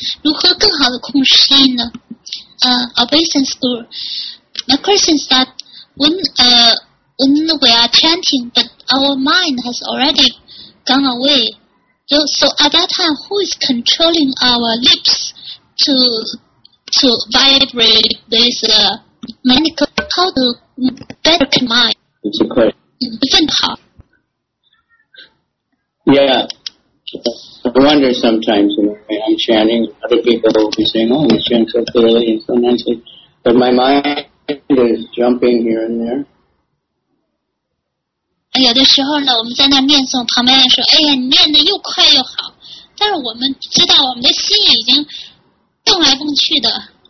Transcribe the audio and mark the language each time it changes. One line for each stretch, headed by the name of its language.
Chinese: 如何更好的控制心意呢？
English: Obeisance Guru, my question is that when we are chanting, but our mind has already gone away. So at that time, who is controlling our lips to vibrate this manical? How to better mind? It's a question. How? Yeah. I wonder sometimes when I'm chanting, other people will be saying, oh, you chant so clearly and so nicely. But my mind is jumping here and there.
Chinese: 有的时候呢，我们在那念诵，旁边人说：“哎呀，你念的又快又好。” 但是我们知道，我们的心已经动来动去的。